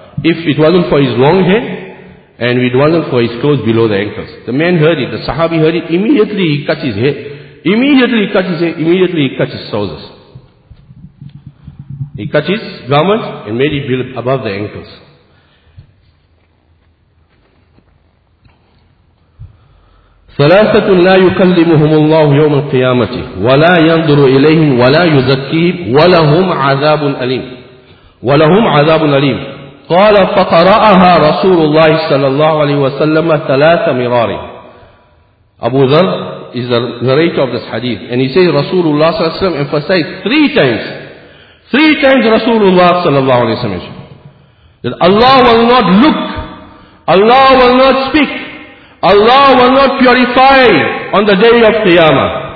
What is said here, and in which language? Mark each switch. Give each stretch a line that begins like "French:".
English: If it wasn't for his long hair, and it wasn't for his clothes below the ankles. The man heard it, the Sahabi heard it, immediately he cut his hair. Immediately he cut his trousers. He cut his garment and made it above the ankles.
Arabic: ثلاثة لا يكلمهم الله يوم القيامة ولا ينظر إليهم ولا يزكيهم ولهم عذاب أليم ولهم عذاب أليم. قال فقرأها رسول الله صلى الله عليه وسلم ثلاث مرار.
English: Abu Dharr is the narrator of this hadith, and he says Rasulullah صلى الله عليه وسلم emphasized three times. Three times Rasulullah صلى الله عليه وسلم mentioned that Allah will not look, Allah will not speak, Allah will not purify on the day of Qiyamah.